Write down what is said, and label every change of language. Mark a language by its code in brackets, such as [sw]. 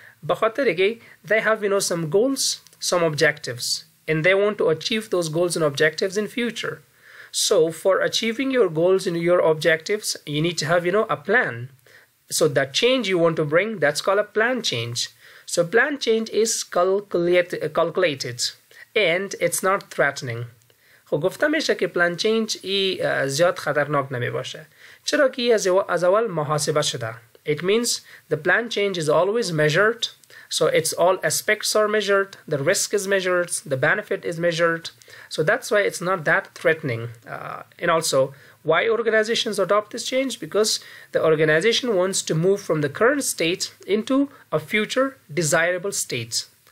[en] They have, some goals, some objectives, and they want to achieve those goals and objectives in future. So for achieving your goals and your objectives, you need to have, a plan. So that change you want to bring, that's called a plan change. So plan change is calculated, and it's not threatening. [fa] خو گفته میشه که plan change ای زیاد خطرناک نمیباشه. چرا که ای از اول محاسبه شده. [en] It means the plan change is always measured, so it's all aspects are measured, the risk is measured, the benefit is measured, so that's why it's not that threatening. And also, why organizations adopt this change? Because the organization wants to move from the current state into a future desirable state.